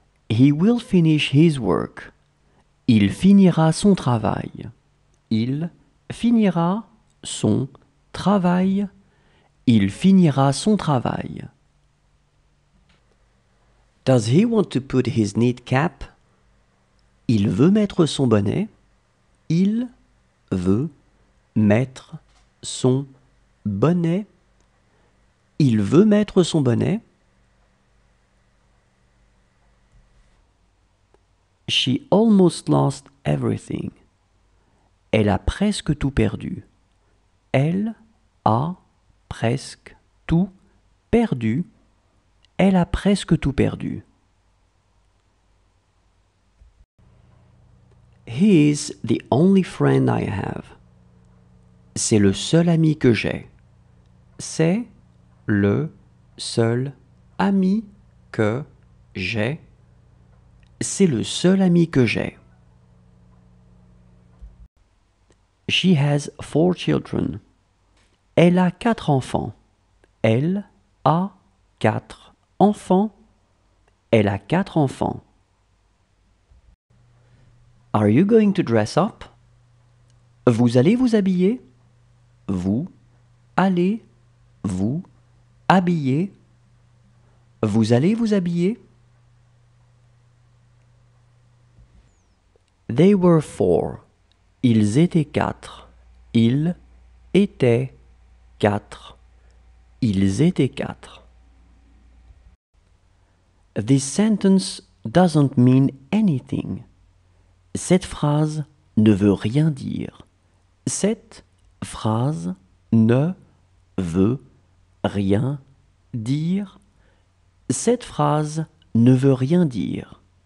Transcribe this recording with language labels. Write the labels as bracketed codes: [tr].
[en] He will finish his work. [fr] Il finira son travail. Il finira son travail. Il finira son travail. [en] Does he want to put his neat cap? [fr] Il veut mettre son bonnet. Il veut mettre son bonnet. Il veut mettre son bonnet. [en] She almost lost everything. [fr] Elle a presque tout perdu. Elle a presque tout perdu. Elle a presque tout perdu. [en] He is the only friend I have. [fr] C'est le seul ami que j'ai. C'est le seul ami que j'ai. C'est le seul ami que j'ai. [en] She has four children. [fr] Elle a quatre enfants. Elle a quatre enfants. Elle a quatre enfants. [en] Are you going to dress up? [fr] Vous allez vous habiller? Vous allez vous habiller? Vous allez vous habiller? [en] They were four. [fr] Ils étaient quatre. Ils étaient quatre. Ils étaient quatre. [en] This sentence doesn't mean anything. [fr] Cette phrase ne veut rien dire. Cette phrase ne veut rien dire. Cette phrase ne veut rien dire.